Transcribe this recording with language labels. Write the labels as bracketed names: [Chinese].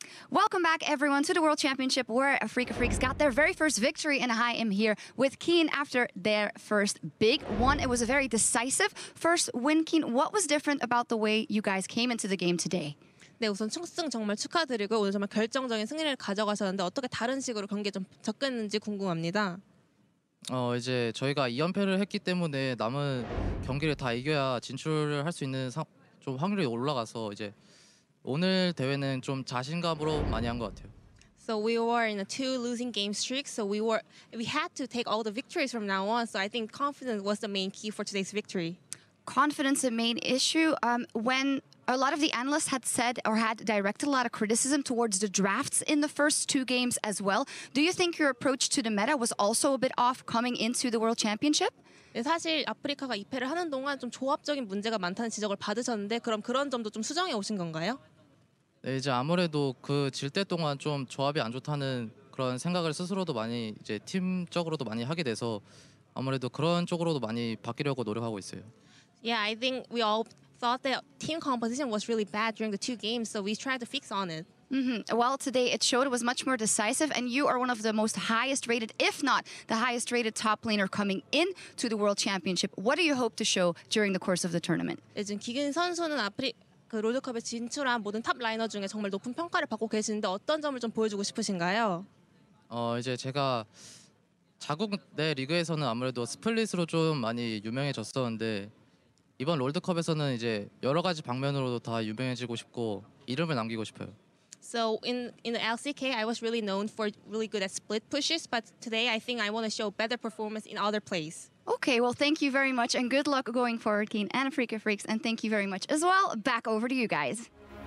[English] Welcome back, everyone, to the World Championship, where FLICKR got their very first victory, and I am here with Keen after their first big one. It was a very decisive first win. Keen, what was different about the way you guys came into the game today? [Korean] 네, 우선 첫승 정말 축하드리고 오늘 정말 결정적인 승리를 가져가셨는데 어떻게 다른 식으로 경기에 좀 접근했는지 궁금합니다. 이제 저희가 2연패를 했기 때문에 남은 경기를 다 이겨야 진출을 할 수 있는 좀 확률이 올라가서 이제 오늘 대회는 좀 자신감으로 많이 한 것 같아요. [English] So we were in a two losing game streak, so we had to take all the victories from now on. So I think confidence was the main key for today's victory. Confidence the main issue. When a lot of the analysts had said or had directed a lot of criticism towards the drafts in the first two games as well. Do you think your approach to the meta was also a bit off coming into the World Championship? [Korean] 네, 사실 아프리카가 2패를 하는 동안 좀 조합적인 문제가 많다는 지적을 받으셨는데 그럼 그런 점도 좀 수정해 오신 건가요? 네, 이제 아무래도 그 질 때 동안 좀 조합이 안 좋다는 그런 생각을 스스로도 많이 이제 팀적으로도 많이 하게 돼서 아무래도 그런 쪽으로도 많이 바뀌려고 노력하고 있어요. [English] Yeah, I think we all thought that team composition was really bad during the two games, so we tried to fix on it. Mm-hmm. Well, today it showed it was much more decisive, and you are one of the most highest rated, if not the highest rated top laner coming in to the World Championship. What do you hope to show during the course of the tournament? [Korean] 지금 기근 선수는 그 롤드컵에 진출한 모든 탑 라이너 중에 정말 높은 평가를 받고 계시는데 어떤 점을 좀 보여주고 싶으신가요? 이제 제가 자국 내 리그에서는 아무래도 스플릿으로 좀 많이 유명해졌었는데 이번 롤드컵에서는 이제 여러 가지 방면으로도 다 유명해지고 싶고 이름을 남기고 싶어요. [English] So in the LCK, I was really known for really good at split pushes, but today I think I want to show better performance in other plays. Okay, well, thank you very much, and good luck going forward, Keen and FLICKR, and thank you very much as well. Back over to you guys.